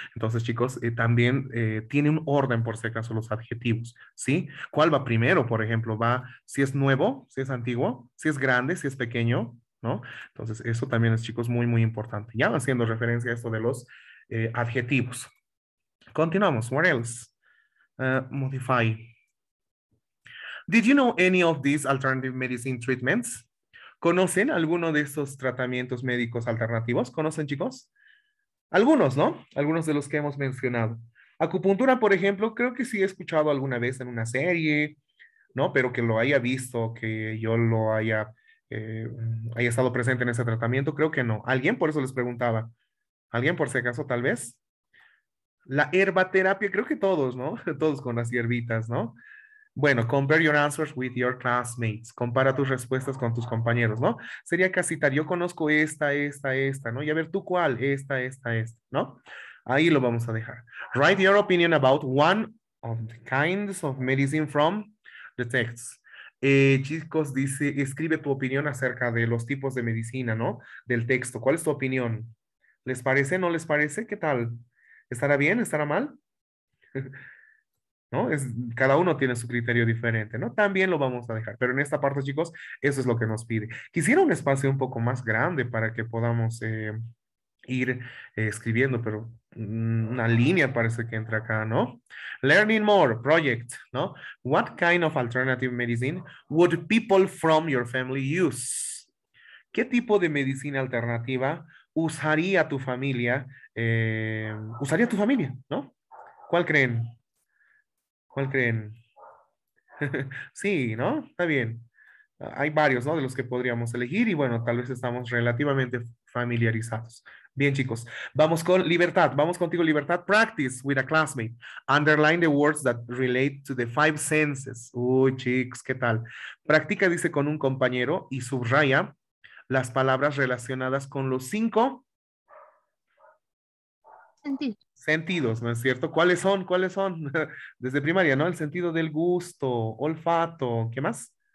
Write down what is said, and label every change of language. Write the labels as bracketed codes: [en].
[es] Entonces, chicos, también tiene un orden, por si acaso, los adjetivos, ¿sí? ¿Cuál va primero, por ejemplo? Va, si es nuevo, si es antiguo, si es grande, si es pequeño, ¿no? Entonces, eso también es, chicos, muy, muy importante. Ya haciendo referencia a esto de los adjetivos. Continuamos. [en] What else? Modify. Did you know any of these alternative medicine treatments? [es] ¿Conocen alguno de estos tratamientos médicos alternativos? ¿Conocen, chicos? Algunos, ¿no? Algunos de los que hemos mencionado. Acupuntura, por ejemplo, creo que sí he escuchado alguna vez en una serie, ¿no? Pero que lo haya visto, que yo lo haya, haya estado presente en ese tratamiento, creo que no. Alguien, por eso les preguntaba. ¿Alguien por si acaso tal vez? La herbaterapia, creo que todos, ¿no? Todos con las hierbitas, ¿no? Bueno, [en] compare your answers with your classmates. [es] Compara tus respuestas con tus compañeros, ¿no? Sería casitar, yo conozco esta, esta, esta, ¿no? Y a ver tú cuál, esta, esta, esta, ¿no? Ahí lo vamos a dejar. [en] Write your opinion about one of the kinds of medicine from the texts. [es] Chicos, dice, escribe tu opinión acerca de los tipos de medicina, ¿no? Del texto, ¿cuál es tu opinión? ¿Les parece? ¿No les parece? ¿Qué tal? ¿Estará bien? ¿Estará mal? ¿No? Es, cada uno tiene su criterio diferente, ¿no? También lo vamos a dejar. Pero en esta parte, chicos, eso es lo que nos pide. Quisiera un espacio un poco más grande para que podamos ir escribiendo, pero una línea parece que entra acá, ¿no? [en] Learning more, project, ¿no? What kind of alternative medicine would people from your family use? [es] ¿Qué tipo de medicina alternativa usaría tu familia, ¿no? ¿Cuál creen? ¿Cuál creen? Sí, ¿no? Está bien. Hay varios, ¿no? De los que podríamos elegir y bueno, tal vez estamos relativamente familiarizados. Bien, chicos, vamos con libertad. Vamos contigo, libertad. [en] Practice with a classmate. Underline the words that relate to the five senses. [es] Uy, chicos, ¿qué tal? Practica, dice, con un compañero y subraya las palabras relacionadas con los cinco sentidos, ¿no es cierto? ¿Cuáles son? ¿Cuáles son? Desde primaria, ¿no? El sentido del gusto, olfato, ¿qué más?